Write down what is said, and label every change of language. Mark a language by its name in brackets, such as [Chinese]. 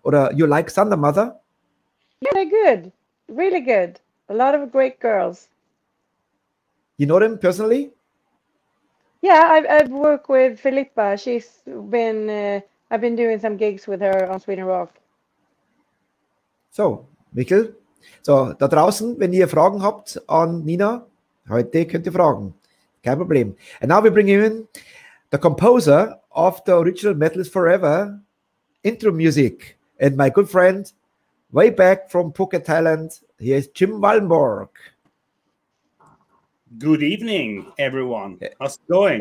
[English] Or you like Thunder Mother? Yeah, they're good. Really good. A lot of great girls. You know them personally? Yeah, I've worked with Filippa. She's been, I've been doing some gigs with her on Sweden Rock. [German] So, Michael, so da draußen, wenn ihr Fragen habt an Nina, heute könnt ihr fragen. Kein Problem. [English] And now we bring in the composer of the original Metal is Forever intro music and my good friend, way back from Phuket, Thailand, here is Jim Wallenborg. Good evening, everyone. How's it going?